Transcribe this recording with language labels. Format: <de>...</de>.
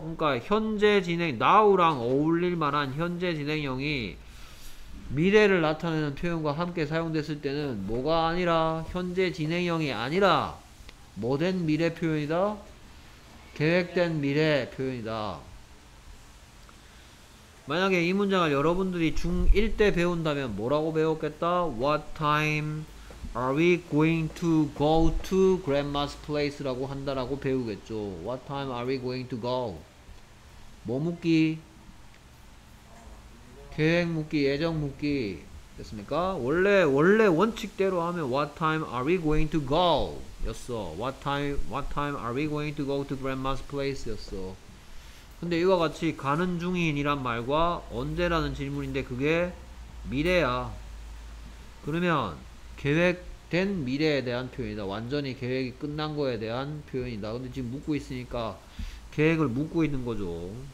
<ko>그러니까 현재 진행 now랑 어울릴만한 현재 진행형이 미래를 나타내는 표현과 함께 사용됐을 때는 뭐가 아니라 현재 진행형이 아니라 뭐된 미래 표현이다? 계획된 미래 표현이다. 만약에 이 문장을 여러분들이 중1 때 배운다면 뭐라고 배웠겠다?</ko> <en>What time are we going to go to grandma's place?</en> <ko>라고 한다라고 배우겠죠.</ko> <en>What time are we going to go?</en> <ko>뭐 묻기? 계획 묻기, 예정 묻기. 됐습니까? 원래 원칙대로 하면</ko> <en>What time are we going to go?</en> <ko>였어.</ko> <en>What time are we going to go to grandma's place?</en> <ko>였어. 근데 이와 같이 가는 중인이란 말과 언제라는 질문인데 그게 미래야. 그러면 계획 된 미래에 대한 표현이다. 완전히 계획이 끝난 거에 대한 표현이다. 근데 지금 묻고 있으니까 계획을 묻고 있는 거죠.</ko>